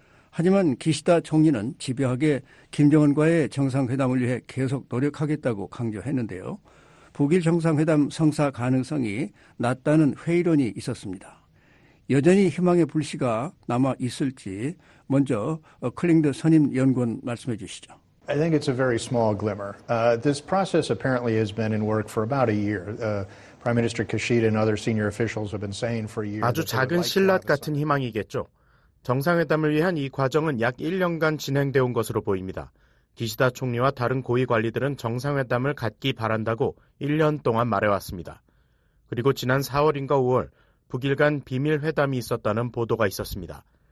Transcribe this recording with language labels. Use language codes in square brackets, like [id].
[ko] 하지만 기시다 총리는 집요하게 김정은과의 정상회담을 위해 계속 노력하겠다고 강조했는데요. 북일 정상회담 성사 가능성이 낮다는 회의론이 있었습니다. 여전히 희망의 불씨가 남아 있을지 먼저 클링드 선임 연구원 말씀해 주시죠. [en] I think it's a very small glimmer. This process apparently has been in work for about a year. Prime Minister Kishida and other senior officials have been saying for years. [ko] 아주 작은 신랏 같은 희망이겠죠. 정상회담을 위한 이 과정은 약 1년간 진행되어 온 것으로 보입니다. 기시다 총리와 다른 고위 관리들은 정상회담을 갖기 바란다고 1년 동안 말해왔습니다. 그리고 지난 4월인가 5월 북일 간 비밀회담이 있었다는 보도가 있었습니다.